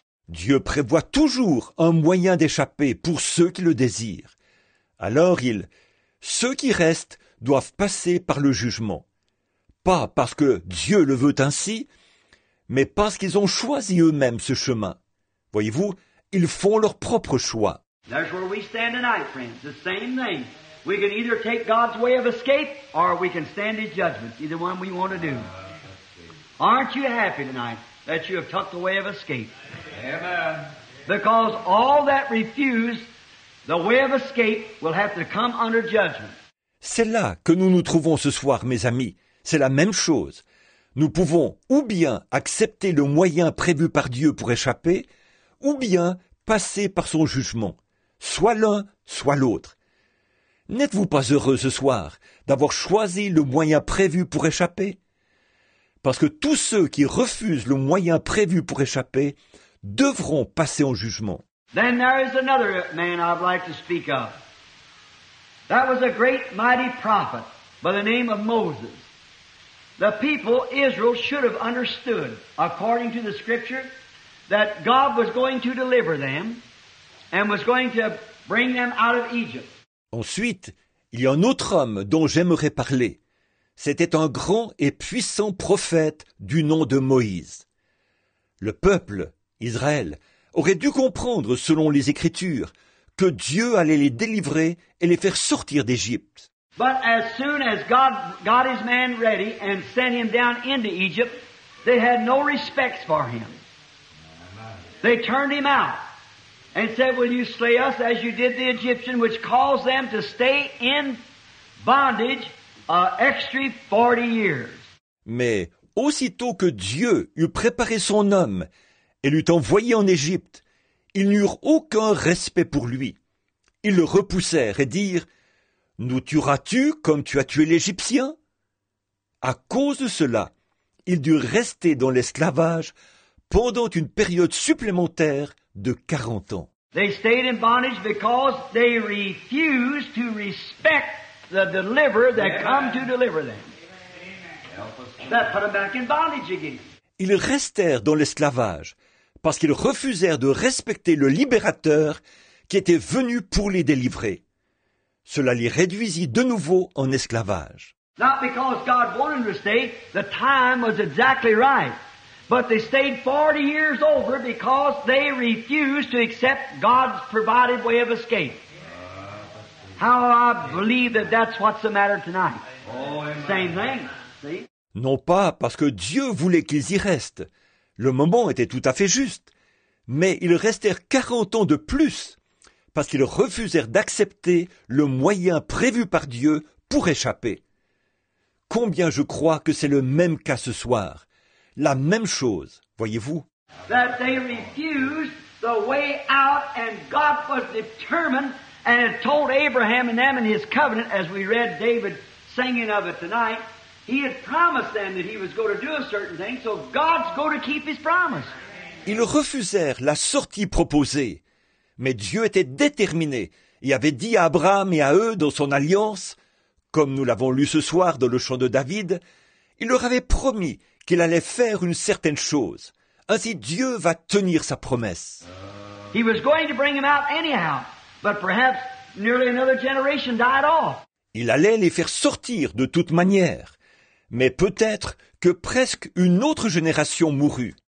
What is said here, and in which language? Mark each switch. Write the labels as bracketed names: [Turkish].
[French] Dieu prévoit toujours un moyen d'échapper pour ceux qui le désirent. Alors ceux qui restent doivent passer par le jugement. Pas parce que Dieu le veut ainsi, mais parce qu'ils ont choisi eux-mêmes ce chemin. Voyez-vous, ils font leur propre choix. [English] That's where we stand tonight, friends. The same thing. We can either take God's way of escape, or we can stand His judgment. Either one we want to do. Aren't you happy tonight that you have took the way of escape? Amen. Because all that refused the way of escape will have to come under judgment. [French] C'est là que nous nous trouvons ce soir, mes amis. C'est la même chose. Nous pouvons ou bien accepter le moyen prévu par Dieu pour échapper, ou bien passer par son jugement. Soit l'un, soit l'autre. N'êtes-vous pas heureux ce soir d'avoir choisi le moyen prévu pour échapper? Parce que tous ceux qui refusent le moyen prévu pour échapper devront passer en jugement. [English] Then there is another man I'd like to speak of. That was a great mighty prophet by the name of Moses. The people, Israel, should have understood, according to the scripture, that God was going to deliver them and was going to bring them out of Egypt. [French] Ensuite, il y a un autre homme dont j'aimerais parler. C'était un grand et puissant prophète du nom de Moïse. Le peuple, Israël, aurait dû comprendre, selon les Écritures, que Dieu allait les délivrer et les faire sortir d'Égypte. [English] But as soon as God got his man ready and sent him down into Egypt, they had no respect for him. They turned him out and said, "Will you slay us as you did the Egyptian, which caused them to stay in bondage extra 40 years?" [French] Mais aussitôt que Dieu eut préparé son homme et l'eut envoyé en Égypte, ils n'eurent aucun respect pour lui. Ils le repoussèrent et dirent, « Nous tueras-tu comme tu as tué l'Égyptien ?» À cause de cela, ils durent rester dans l'esclavage pendant une période supplémentaire de 40 ans. [English] They stayed in bondage because they refused to respect the deliverer that come to deliver them. That put them back in bondage again. [French] Ils restèrent dans l'esclavage parce qu'ils refusèrent de respecter le libérateur qui était venu pour les délivrer. Cela les réduisit de nouveau en esclavage. [English] Not because God wanted them to stay, the time was exactly right. But they stayed 40 years over because they refused to accept God's provided way of escape. How I believe that that's what's the matter tonight. Same thing, see? [French] Non pas parce que Dieu voulait qu'ils y restent. Le moment était tout à fait juste. Mais ils restèrent 40 ans de plus parce qu'ils refusèrent d'accepter le moyen prévu par Dieu pour échapper. Combien je crois que c'est le même cas ce soir. La même chose, voyez-vous. [English] That they refused the way out and God was determined and had told Abraham and them in his covenant, as we read David singing of it tonight, he had promised them that he was going to do a certain thing, so God's going to keep his promise. [French] Ils refusèrent la sortie proposée, mais Dieu était déterminé et avait dit à Abraham et à eux dans son alliance, comme nous l'avons lu ce soir dans le chant de David, il leur avait promis qu'il allait faire une certaine chose. Ainsi Dieu va tenir sa promesse. [English] He was going to bring them out anyhow, but perhaps nearly another generation died off. [French] Il allait les faire sortir de toute manière, mais peut-être que presque une autre génération mourut.